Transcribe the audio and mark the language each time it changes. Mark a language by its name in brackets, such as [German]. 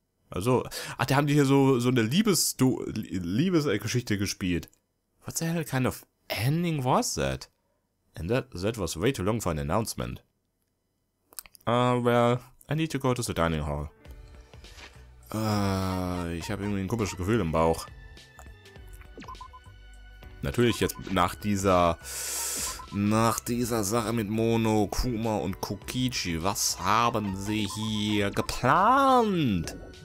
[German] Also, ach, da haben die hier so eine Liebesgeschichte gespielt. [English] What the hell kind of ending was that? And that was way too long for an announcement. Well, I need to go to the dining hall. [German] Ich habe irgendwie ein komisches Gefühl im Bauch. Natürlich jetzt nach dieser Sache mit Mono, Kuma und Kukichi, was haben sie hier geplant?